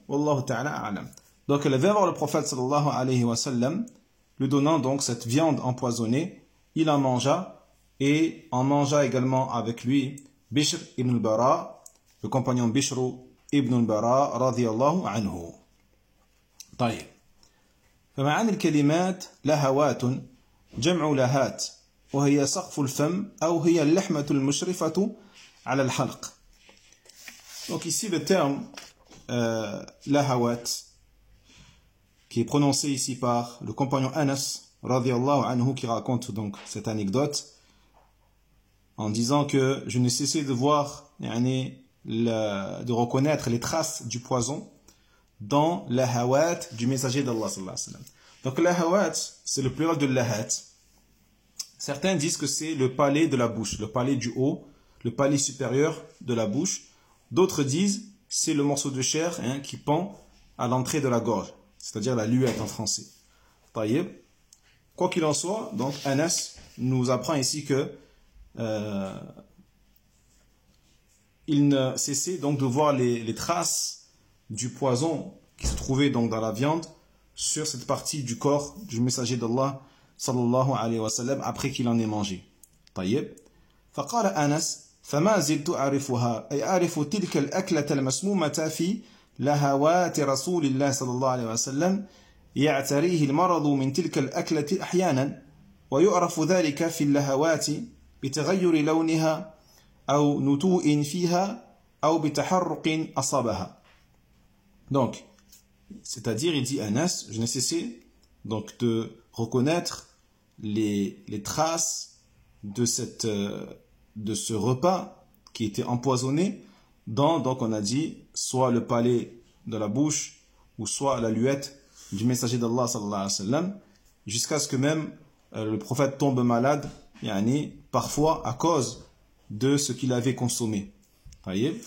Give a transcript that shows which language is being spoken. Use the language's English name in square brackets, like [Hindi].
[French] Wallahu ta'ala a'lam. Donc elle va voir le prophète sallallahu alayhi wa sallam, lui donnant donc cette viande empoisonnée. Il en mangea et en mangea également avec lui Bishr ibn al-Bara, le compagnon Bishr ibn al-Bara radiyallahu anhu. Taïb. [Arabic] فمعاني الكلمات لهوات جمع لهات وهي سقف الفم أو هي اللحمة المشرفة على الحلق. [French] Donc ici le terme لهوات qui est prononcé ici par le compagnon Anas radiallahu anhu qui raconte donc cette anecdote en disant que je ne cessais de voir يعني, de reconnaître les traces du poison dans لهوات du messager d'Allah sallallahu alayhi wa sallam. Donc, lahawat, c'est le pluriel de lahat. Certains disent que c'est le palais de la bouche, le palais du haut, le palais supérieur de la bouche. D'autres disent c'est le morceau de chair hein, qui pend à l'entrée de la gorge, c'est-à-dire la luette en français. Taïeb. Quoi qu'il en soit, donc, Anas nous apprend ici que il ne cessait donc de voir les traces du poison qui se trouvait donc dans la viande sur cette partie du corps du messager d'Allah sallallahu alayhi wa sallam après qu'il en ait mangé. [Arabic] طيب فقال انس فما زلت اعرفها اي اعرف تلك الاكله المسمومه في لهوات رسول الله صلى الله عليه وسلم يعتريه المرض من تلك الاكله احيانا ويعرف ذلك في اللهوات بتغير لونها او نتوء فيها او بتحرق اصابها. [French] Donc c'est-à-dire, il dit Anas, je n'ai cessé donc de reconnaître les traces de ce repas qui était empoisonné dans, donc on a dit, soit le palais de la bouche ou soit la luette du messager d'Allah sallallahu alayhi wa sallam, jusqu'à ce que même le prophète tombe malade, yani, parfois à cause de ce qu'il avait consommé. Voyez?